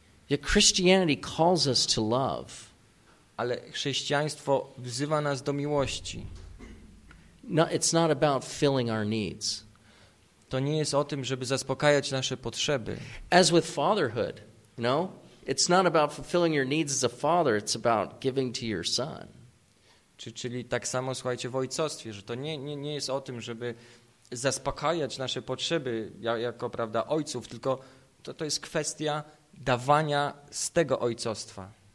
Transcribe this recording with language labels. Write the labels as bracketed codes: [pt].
[en] Yet Christianity calls us to love. [pl] Ale chrześcijaństwo wzywa nas do miłości. [en] No, it's not about filling our needs. [pl] To nie jest o tym, żeby zaspokajać nasze potrzeby. [en] As with fatherhood, you know? It's not about fulfilling your needs as a father, it's about giving to your son. [pl] Czyli tak samo słuchajcie w ojcostwie, że to nie jest o tym, żeby zaspokajać nasze potrzeby jako prawda ojców, tylko to jest kwestia dawania z tego ojcostwa.